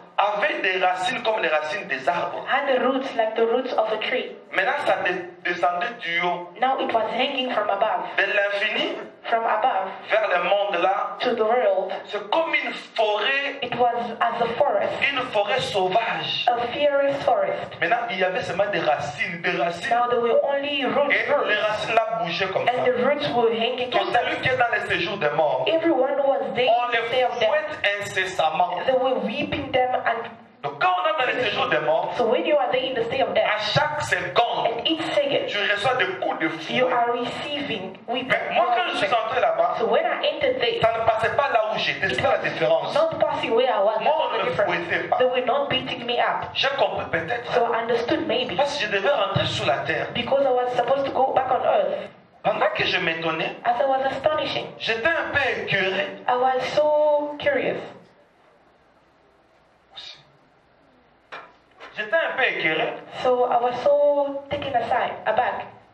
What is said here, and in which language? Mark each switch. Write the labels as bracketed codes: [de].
[fr] avait des racines comme les racines des arbres. [en] Had the roots like the roots of a tree. [fr] Maintenant, ça descendait du haut. [en] Now it was hanging from above. [fr] De l'infini. [en] From above. [fr] Vers le monde là. [en] To the world. [fr] C'est comme une forêt. [en] It was as a forest. [fr] Une forêt sauvage. [en] A fiery forest. [fr] Maintenant, il y avait seulement des racines. [en] Now there were only roots. [fr] Et les racines là bougeaient comme ça. [en] And the roots were hanging. [fr] Tout celui qui est dans les séjours des morts. [en] Everyone was there. [fr] On les fouette incessamment. [en] They were weeping them. [fr] Donc quand on est dans le séjour des morts, [en] so when you are there in the state of death, [fr] à chaque seconde, [en] at each second, [fr] tu reçois des coups de fouet. [en] You are receiving. [fr] Mais moi quand je suis entré là-bas, [en] so when I entered there, [fr] ça ne passait pas là où j'étais. C'est la différence. [en] Not passing where I was. [fr] Moi on ne fouettait pas. [en] They were not beating me up. [fr] J'ai compris peut-être. [en] So I understood maybe. [fr] Parce que je devais rentrer sous la terre. [en] Because I was supposed to go back on earth. [fr] Pendant que je m'étonnais, [en] as I was astonishing, [fr] j'étais un peu écœuré. [en] I was so curious. [fr] J'étais un peu écœuré. [en] So I was so taken aside, aback.